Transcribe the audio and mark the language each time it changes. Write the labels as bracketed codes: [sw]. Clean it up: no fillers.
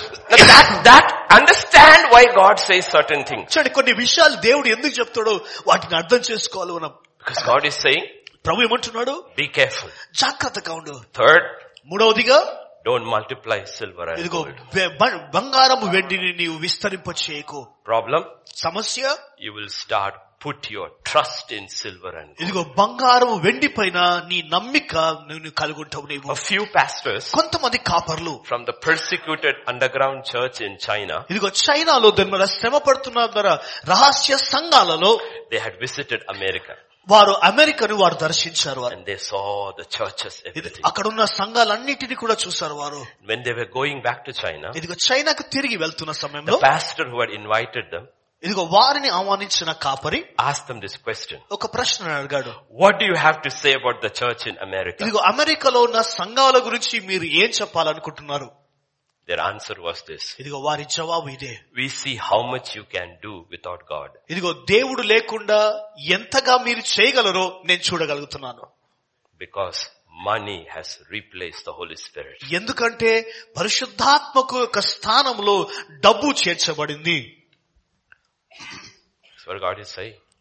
[en] Now that understand why God says certain things. [te] చూడండి కొన్ని విషయాలు దేవుడు ఎందుకు చెప్తాడో వాటిని అర్థం చేసుకోవాలి మనం. [en] Because God is saying, [te] ప్రభు ఏమంటున్నాడు? [en] Be careful. [te] జాగ్రత్తగా ఉండు. [en] Third, [te] మూడవదిగా [en] Don't multiply silver and gold. [te] బంగారం వెండిని నీవు విస్తరింపచేయకు. [en] Problem? [te] సమస్య? [en] You will start Put your trust in silver and gold. [te] ఇదిగో బంగారం వెండి పైన నీ నమ్మిక నువ్వు కలుగుంటావు నీవు. [en] A few pastors, [te] కొంతమంది కాపర్లు, [en] from the persecuted underground church in China, [te] ఇదిగో చైనాలో దేవుని శ్రమ పడుతున్న ద్వారా రహస్య సంఘాలలో, [en] they had visited America. [te] వారు అమెరికాను వారు దర్శించారు [en] and they saw the churches everything. [te] అక్కడ ఉన్న సంఘాలన్నింటినీ కూడా చూసారు వారు. [en] When they were going back to China, [te] ఇదిగో చైనాకు తిరిగి వెళ్తున్న సమయంలో, [en] the pastor who had invited them. [te] ఇదిగో వారిని ఆహ్వానించిన కాపరి [en] ask them this question [te] ఒక ప్రశ్న అడిగాడు [en] what do you have to say about the church in America [te] ఇదిగో అమెరికాలో ఉన్న సంఘాల గురించి మీరు ఏం చెప్పాలనుకుంటున్నారు [en] their answer was this [te] ఇదిగో వారి జవాబు ఇదే [en] we see how much you can do without God [te] ఇదిగో దేవుడు లేకుండా ఎంతగా మీరు చేయగలరో నేను చూడగలుగుతున్నాను [en] because money has replaced the holy spirit [te] ఎందుకంటే పరిశుద్ధాత్మకు ఒక స్థానంలో డబ్బు చేర్చబడింది [en] That's what God is saying.